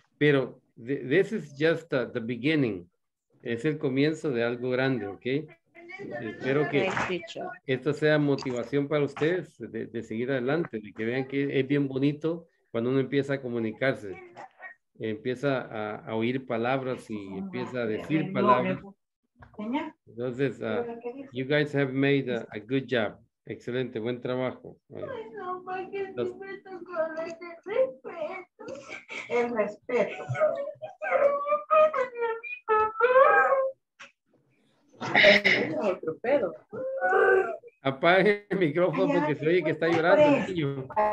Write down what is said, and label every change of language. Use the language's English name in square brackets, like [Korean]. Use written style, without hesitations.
[Spanish] Pero this is just the beginning. Es el comienzo de algo grande, ¿ok? Espero que esto sea motivación para ustedes de seguir adelante, de que vean que es bien bonito cuando uno empieza a comunicarse. Empieza a oír palabras y empieza a decir palabras. [English] Entonces, you guys have made a good job. [Spanish] Excelente, buen trabajo. Ay, no, ma, que respeto con el respeto. El respeto. Otro pedo. Apague el micrófono porque se oye que está llorando el niño.